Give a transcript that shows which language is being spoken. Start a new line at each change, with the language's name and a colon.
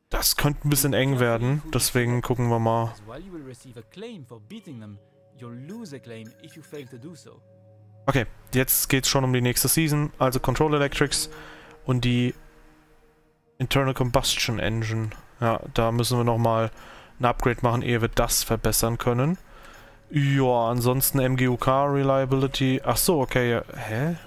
German: Das könnte ein bisschen eng werden, deswegen gucken wir mal.
English: While you will receive a claim for beating them, you'll lose a claim if you fail to do so.
German: Okay, jetzt geht's schon um die nächste Season, also Control Electrics und die Internal Combustion Engine. Ja, da müssen wir nochmal ein Upgrade machen, ehe wir das verbessern können. Ja, ansonsten MGUK Reliability. Achso, okay. Hä?